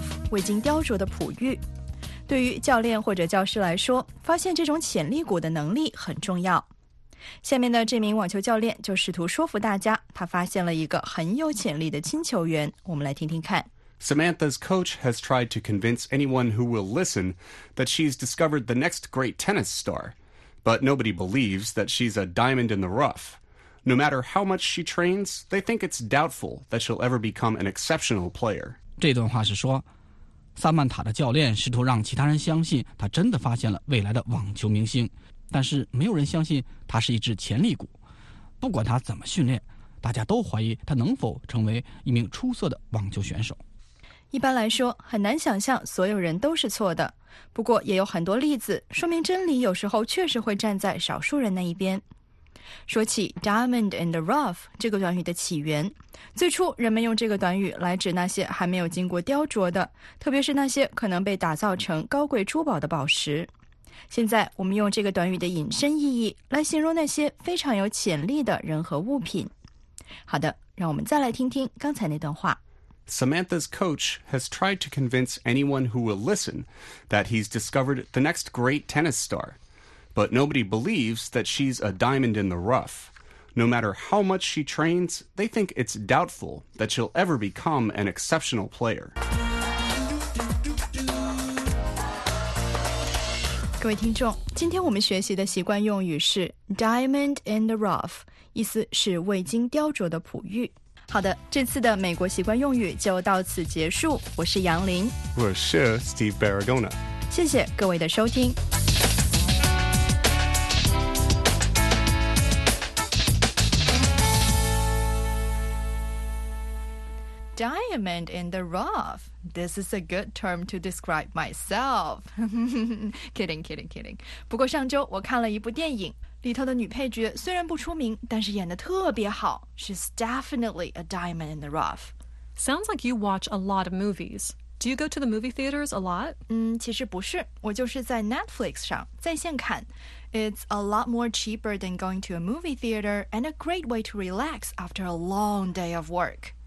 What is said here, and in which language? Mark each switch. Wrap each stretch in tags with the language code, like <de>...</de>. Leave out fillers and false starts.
<zh>未经雕琢的璞玉，对于教练或者教师来说，发现这种潜力股的能力很重要。下面的这名网球教练就试图说服大家，他发现了一个很有潜力的新球员。我们来听听看。</zh> <en>Samantha's coach has tried to convince anyone who will listen that she's discovered the next great tennis star, but nobody believes that she's a diamond in the rough. No matter how much she trains, they think it's doubtful that she'll ever become an exceptional player.</en> <zh>这段话是说，萨曼塔的教练试图让其他人相信他真的发现了未来的网球明星，但是没有人相信他是一只潜力股。不管他怎么训练，大家都怀疑他能否成为一名出色的网球选手。一般来说，很难想象所有人都是错的，不过也有很多例子说明真理有时候确实会站在少数人那一边。说起</zh> <en>diamond in the rough</en> <zh>这个短语的起源，最初人们用这个短语来指那些还没有经过雕琢的，特别是那些可能被打造成高贵珠宝的宝石。现在我们用这个短语的引申意义来形容那些非常有潜力的人和物品。好的，让我们再来听听刚才那段话。</zh> <en>Samantha's coach has tried to convince anyone who will listen that he's discovered the next great tennis star. But nobody believes that she's a diamond in the rough. No matter how much she trains, they think it's doubtful that she'll ever become an exceptional player.</en> <zh>各位听众，今天我们学习的习惯用语是</zh> <en>diamond in the rough,</en> <zh>意思是未经雕琢的璞玉。好的，这次的美国习惯用语就到此结束。我是杨林。我是 Steve Barragona。谢谢各位的收听。</zh> <en>Diamond in the rough. This is a good term to describe myself. kidding.</en> <zh>不过上周我看了一部电影，里头的女配角虽然不出名，但是演得特别好。</zh> <en>She's definitely a diamond in the rough. Sounds like you watch a lot of movies. Do you go to the movie theaters a lot?</en> <zh>其实不是，我就是在 Netflix 上在线看。</zh> <en>It's a lot more cheaper than going to a movie theater and a great way to relax after a long day of work.</en>